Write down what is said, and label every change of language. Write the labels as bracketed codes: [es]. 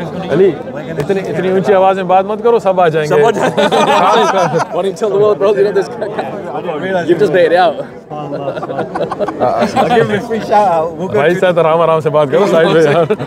[ur] علي اتني اتني اونچی آواز میں بات مت کرو سب آ جائیں گے. [en] What do you tell the world, bro? You know this guy. You've just made it out. I'll give him a free shout out. [ur] بھائی صاحب آرام آرام سے بات کرو صاحب یار.